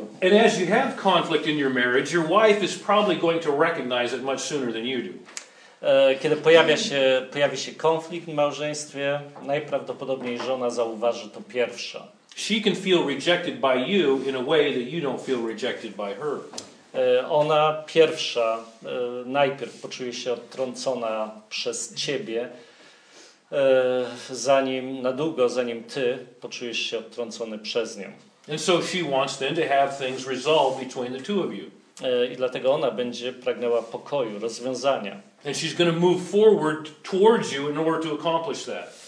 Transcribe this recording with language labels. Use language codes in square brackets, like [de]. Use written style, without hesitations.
[en] And as you have conflict in your marriage, your wife is probably going to recognize it much sooner than you do. [pl] Kiedy pojawi się konflikt w małżeństwie, najprawdopodobniej żona zauważy to pierwsza. [en] She can feel rejected by you in a way that you don't feel rejected by her. [pl] Ona pierwsza najpierw poczuje się odtrącona przez ciebie, zanim ty poczujesz się odtrącony przez nią. [en] And so she wants then to have things resolved between the two of you. [pl] I dlatego ona będzie pragnęła pokoju, rozwiązania. [en] And she's going to move forward towards you in order to accomplish that.